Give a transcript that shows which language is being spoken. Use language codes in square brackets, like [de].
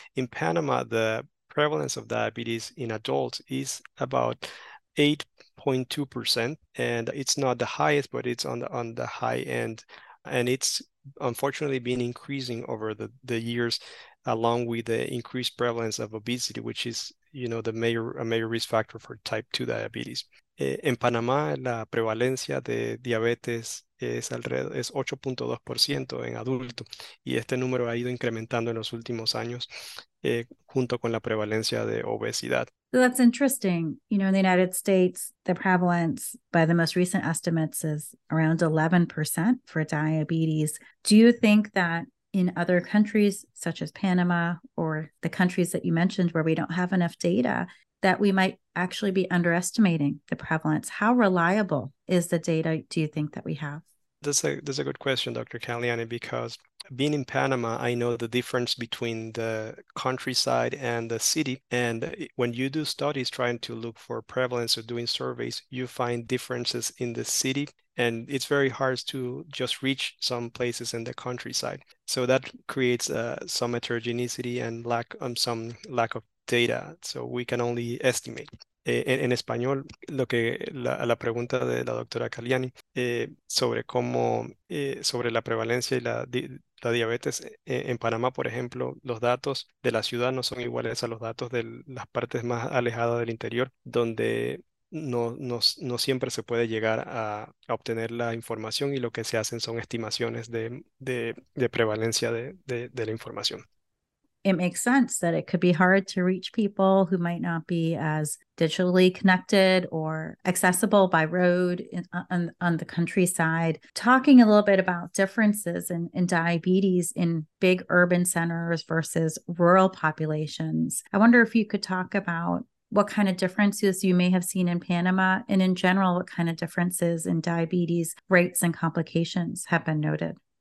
[en] In Panama, the prevalence of diabetes in adults is about 8.2%, and it's not the highest, but it's on the high end. And it's unfortunately been increasing over the years, along with the increased prevalence of obesity, which is, you know, a major risk factor for type 2 diabetes. [es] En Panamá, la prevalencia de diabetes es 8.2% en adulto, y este número ha ido incrementando en los últimos años, junto con la prevalencia de obesidad. [en] So that's interesting. You know, in the United States, the prevalence by the most recent estimates is around 11% for diabetes. Do you think that in other countries such as Panama or the countries that you mentioned where we don't have enough data, that we might actually be underestimating the prevalence? How reliable is the data, do you think, that we have? That's a good question, Dr. Caliani, because being in Panama, I know the difference between the countryside and the city. And when you do studies trying to look for prevalence or doing surveys, you find differences in the city. And it's very hard to just reach some places in the countryside. So that creates some heterogeneity and some lack of data. So we can only estimate. [es] En español, lo que la pregunta de la doctora Caliani sobre cómo sobre la prevalencia y la diabetes en Panamá, por ejemplo, los datos de la ciudad no son iguales a los datos de las partes más alejadas del interior, donde no siempre se puede llegar a obtener la información, y lo que se hacen son estimaciones de prevalencia de la información. [en] It makes sense that it could be hard to reach people who might not be as digitally connected or accessible by road on the countryside. Talking a little bit about differences in diabetes in big urban centers versus rural populations, I wonder if you could talk about what kind of differences you may have seen in Panama, and in general, what kind of differences in diabetes rates and complications have been noted.